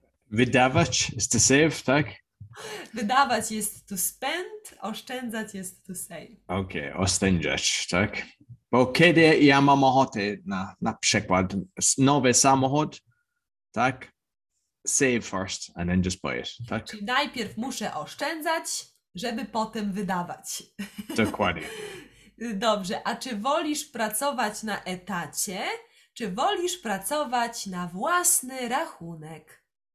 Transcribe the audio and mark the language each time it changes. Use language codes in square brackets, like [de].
[pl] Wydawać jest [en] to save, [pl] tak? Wydawać jest [en] to spend, [pl] oszczędzać jest [en] to save. [pl] Okej, oszczędzać, tak? Bo kiedy ja mam ochotę na przykład nowy samochód, tak? [en] Save first and then just buy it, tak? [pl] Czyli najpierw muszę oszczędzać, żeby potem wydawać. Dokładnie. Dobrze, a czy wolisz pracować na etacie, czy wolisz pracować na własny rachunek?